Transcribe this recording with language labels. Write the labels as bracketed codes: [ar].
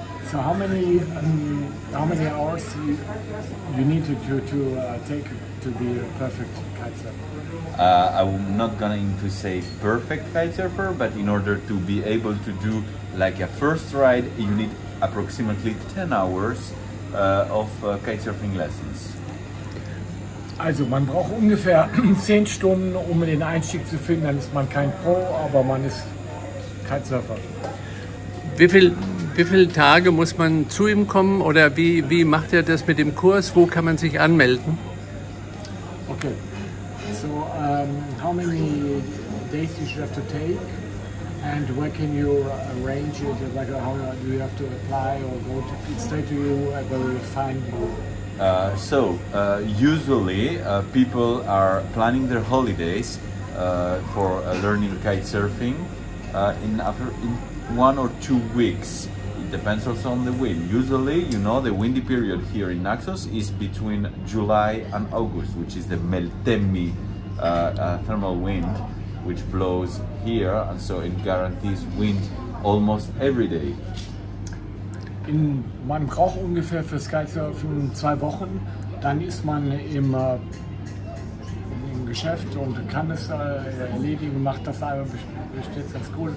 [en] So how many hours you need to take to be a perfect kite surfer? I'm not going to say perfect kite surfer, but in order to be able to do like a first ride, you need approximately 10 hours of kite surfing lessons. [de] Also man braucht ungefähr 10 Stunden, um den Einstieg zu finden. Dann ist man kein Pro, aber man ist kite surfer. Wie viele Tage muss man zu ihm kommen oder wie macht er das mit dem Kurs? Wo kann man sich anmelden? [en] Okay, so how many days you should have to take and where can you arrange it? Like how do you have to apply or go to stay to you and where will find you? So usually people are planning their holidays for learning kitesurfing in one or two weeks. Depends also on the wind. Usually, you know, the windy period here in Naxos is between July and August, which is the Meltemi thermal wind, which blows here, and so it guarantees wind almost every day. [de] In man braucht ungefähr für Skysurfen 2 Wochen, dann ist man im Geschäft und kann es erledigen, macht das einmal, besteht ganz gut.